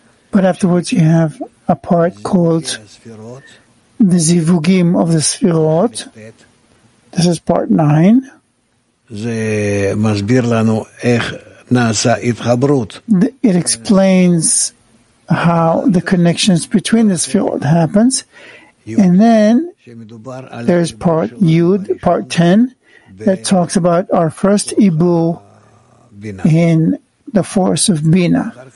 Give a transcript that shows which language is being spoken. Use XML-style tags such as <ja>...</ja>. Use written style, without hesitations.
<en>But afterwards, you have a part called the Zivugim of the Sefirot, This is part 9.</en> <he>זה מסביר לנו איך נעשה התחברות.</he> <en>It explains how the connections between this field happens. And then there's part Yud, part 10, that talks about our first Ibu in the force of Bina.</en>